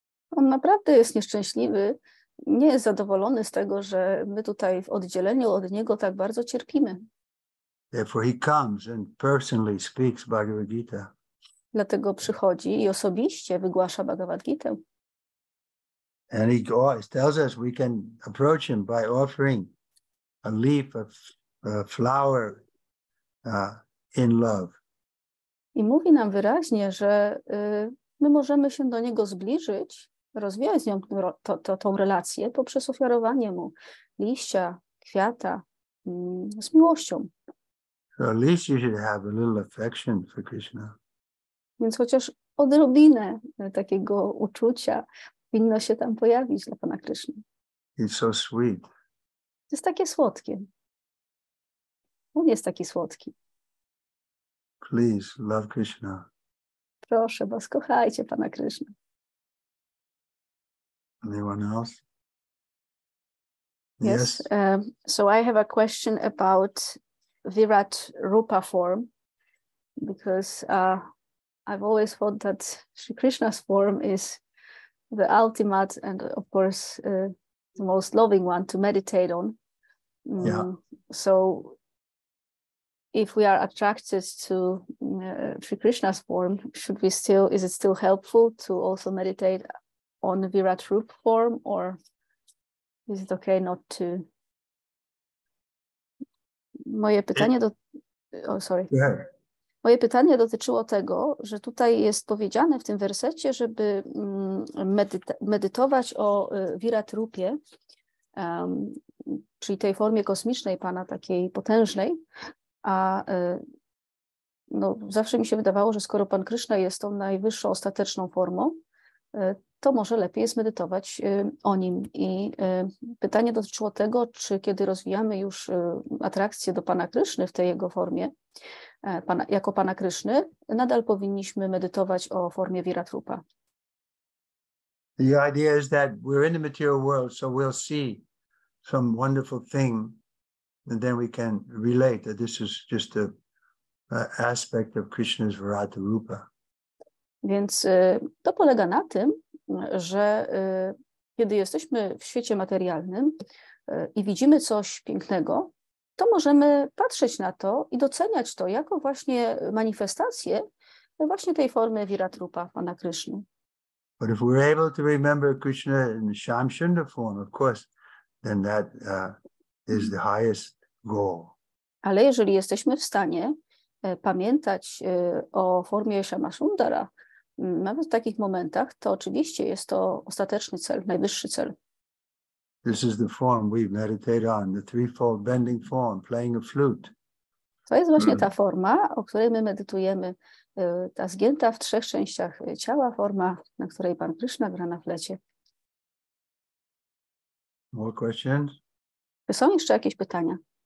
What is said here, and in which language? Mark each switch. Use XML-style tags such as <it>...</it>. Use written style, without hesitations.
<pl>On naprawdę jest nieszczęśliwy, nie jest zadowolony z tego, że my tutaj w oddzieleniu od niego tak bardzo cierpimy.</pl> <en>Therefore he comes and personally speaks Bhagavad Gita.</en> <pl>Dlatego przychodzi i osobiście wygłasza Bhagavad Gita.</pl> <en>And he tells us we can approach him by offering a leaf of flower in love.</en> <pl>I mówi nam wyraźnie, że my możemy się do niego zbliżyć, rozwijać z nią tą relację poprzez ofiarowanie mu liścia, kwiata z miłością.</pl> <en>So at least you should have a little affection for Krishna.</en> <pl>Więc chociaż odrobinę takiego uczucia powinno się tam pojawić dla Pana Kryszny.</pl> <en>It's so sweet.</en> <pl>To jest takie słodkie. On jest taki słodki.</pl> <en>Please love Krishna.</en> <pl>Proszę was, kochajcie Pana Krishna.</pl> <en>Anyone else? Yes. So I have a question about Virat Rupa form, because I've always thought that Sri Krishna's form is the ultimate and, of course, the most loving one to meditate on. Mm. Yeah. So if we are attracted to Sri Krishna's form, should we still, is it still helpful to also meditate on Virat Rupa form, or is it okay not to?</en> <pl>Moje pytanie do...</pl> <en>Oh, sorry.</en> <pl>Moje pytanie dotyczyło tego, że tutaj jest powiedziane w tym wersecie, żeby medytować o Virat Rupie, czyli tej formie kosmicznej Pana, takiej potężnej, a no, zawsze mi się wydawało, że skoro Pan Krishna jest tą najwyższą, ostateczną formą, to może lepiej jest medytować o Nim. I pytanie dotyczyło tego, czy kiedy rozwijamy już atrakcję do Pana Kryszny w tej Jego formie, jako Pana Kryszny, nadal powinniśmy medytować o formie Virat Rupa.</pl> <en>The idea is that we're in the material world, so we'll see some wonderful thing, and then we can relate that this is just a aspect of Krishna's Virat Rupa.</en> <pl>Więc to polega na tym, że kiedy jesteśmy w świecie materialnym i widzimy coś pięknego, to możemy patrzeć na to i doceniać to jako właśnie manifestację właśnie tej formy Virat Rupa Pana Kryszny.</pl> <en>But if we're able to remember Krishna in the Shamsunda form, of course, then that is the highest goal.</en> <pl>Ale jeżeli jesteśmy w stanie pamiętać o formie Shamasundara nawet w takich momentach, to oczywiście jest to ostateczny cel, najwyższy cel.</pl> <en>This is the form we meditate on, the threefold bending form, playing a flute.</en> <pl>To jest właśnie ta forma, o której my medytujemy, ta zgięta w trzech częściach ciała forma, na której Pan Krishna gra na flecie.</pl> <en>More questions?</en> <pl>Są jeszcze jakieś pytania?</pl>